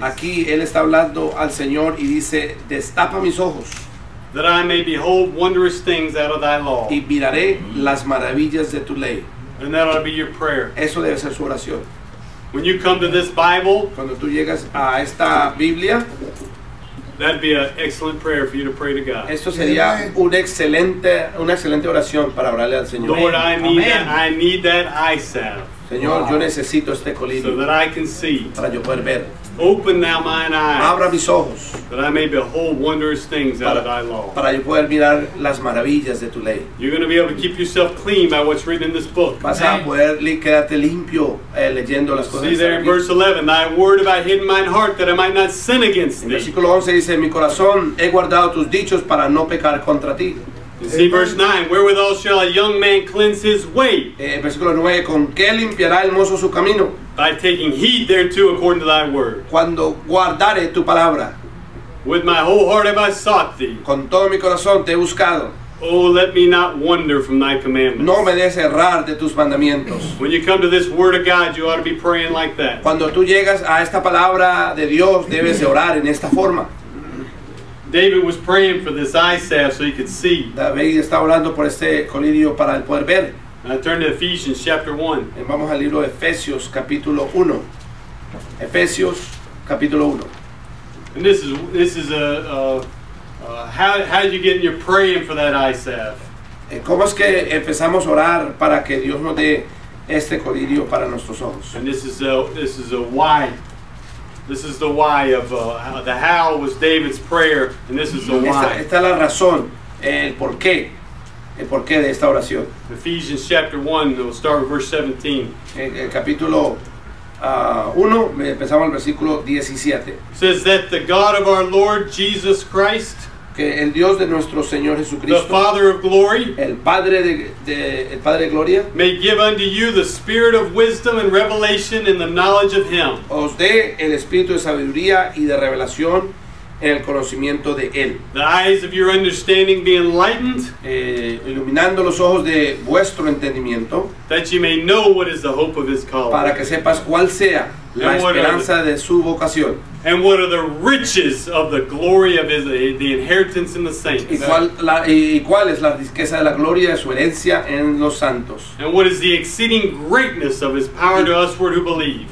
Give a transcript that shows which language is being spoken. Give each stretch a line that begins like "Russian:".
Spanish: Aquí él está hablando al Señor y dice, destapa mis ojos.
English: That I may behold wondrous things out of thy law.
Spanish: Y miraré las maravillas de tu ley.
English: And that ought to be your prayer.
Spanish: Eso debe ser su oración.
English: When you come to this Bible,
Spanish: cuando tú llegas a esta Biblia,
English: that'd be an excellent prayer for you to pray to God.
Spanish: Esto sería una excelente oración para orarle al Señor.
English: Lord, I need that eye salve.
Spanish: Señor, yo necesito este colirio.
English: So that I can see.
Spanish: Para yo poder ver.
English: Open now mine eyes.
Spanish: Abra mis ojos.
English: That I may behold wondrous things out of thy law.
Spanish: Para yo poder mirar las maravillas de tu ley.
English: You're going to be able to keep yourself clean by what's written in this book.
Spanish: Vas a poder quedarte limpio leyendo las cosas.
English: See there in verse 11, thy word have I hidden mine heart that I might not sin against thee.
Spanish: En versículo 11 dice, mi corazón he guardado tus dichos para no pecar contra ti.
English: See verse 9, wherewithal shall a young man cleanse his way?
Spanish: Versículo 9, ¿con qué limpiará el mozo su camino?
English: By taking heed thereto according to thy word.
Spanish: Cuando guardare tu palabra.
English: With my whole heart have I sought thee.
Spanish: Con todo mi corazón te he buscado.
English: Oh, let me not wander from thy commandments.
Spanish: No me des errar de tus mandamientos.
English: When you come to this word of God, you ought to be praying like that.
Spanish: Cuando tú llegas a esta palabra de Dios, debes orar en esta forma.
English: David was praying for this eye salve so he could see.
Spanish: David estaba orando por este colirio para el poder ver.
English: I turn to Ephesians chapter 1.
Spanish: Y vamos al libro de Efesios capítulo 1. Efesios capítulo 1.
English: And how you get your praying for that eye salve?
Spanish: ¿Cómo es que empezamos a orar para que Dios nos dé este colirio para nuestros ojos?
English: And this is the why of the how was David's prayer, and this is the why.
Spanish: Esta es la razón, el porqué de esta oración.
English: Ephesians chapter 1, we'll start with verse 17.
Spanish: El capítulo 1, empezamos el versículo 17.
English: It says that the God of our Lord Jesus Christ,
Spanish: que el Dios de nuestro Señor Jesucristo,
English: the Father of glory,
Spanish: el Padre de gloria,
English: may give unto you the spirit of wisdom and revelation in the knowledge of him.
Spanish: Os dé el espíritu de sabiduría y de revelación en el conocimiento de él.
English: The eyes of your understanding be enlightened,
Spanish: iluminando los ojos de vuestro entendimiento,
English: that you may know what is the hope of his calling.
Spanish: Para que sepas cuál sea la esperanza de su vocación.
English: And what are the riches of the glory of his, the inheritance in the saints?
Spanish: ¿Y cuál es la riqueza de la gloria de su herencia en los santos?
English: And what is the exceeding greatness of his power to us who believe?